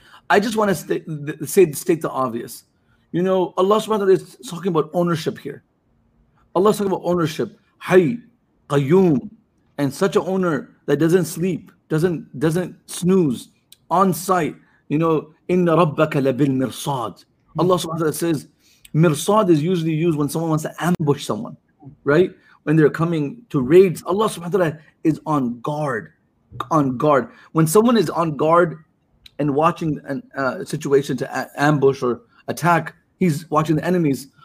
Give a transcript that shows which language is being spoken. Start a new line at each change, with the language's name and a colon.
English: I just want to state the obvious. You know, Allah subhanahu wa ta'ala is talking about ownership here. Allah is talking about ownership. Hay, qayyum, and such an owner that doesn't sleep, doesn't snooze, on site. You know,
Arabic: إِنَّ رَبَّكَ لَبِالْمِرْصَادِ.
English: Allah subhanahu wa ta'ala says, mirsad is usually used when someone wants to ambush someone, right? When they're coming to raids, Allah subhanahu wa ta'ala is on guard, on guard. When someone is on guard and watching a situation to ambush or attack, he's watching the enemies.